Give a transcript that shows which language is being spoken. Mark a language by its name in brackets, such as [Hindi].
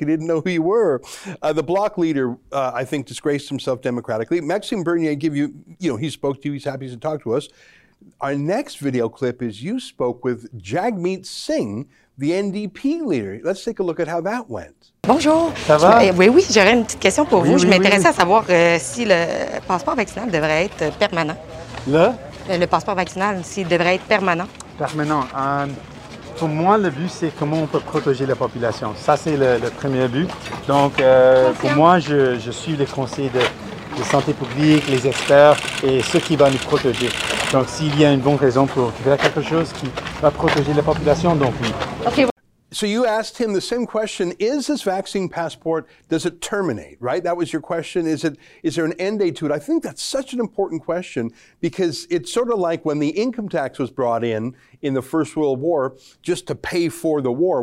[English] He didn't know who you were. The Bloc leader, I think, disgraced himself democratically. Maxime Bernier gave you, you know, he spoke to you. He's happy to talk to us. Our next video clip is you spoke with Jagmeet Singh, the NDP leader. Let's take a look at how that went. [French] Bonjour. Ça va? Oui, j'aurais une petite question pour vous. Je m'intéressais à savoir si le passeport vaccinal devrait être permanent. Le passeport vaccinal, s'il devrait être permanent. Permanent. Pour moi, le but, c'est comment on peut protéger la population. Ça, c'est le premier but. Donc, pour moi, je suis les conseils de santé publique, les experts et ceux qui vont nous protéger. Donc, s'il y a une bonne raison pour faire quelque chose qui va protéger la population, donc oui. [English] So you asked him the same question, is this vaccine passport, does it terminate, right? That was your question. Is there an end date to it? I think that's such an important question because it's sort of like when the income tax was brought in the First World War, just to pay for the war.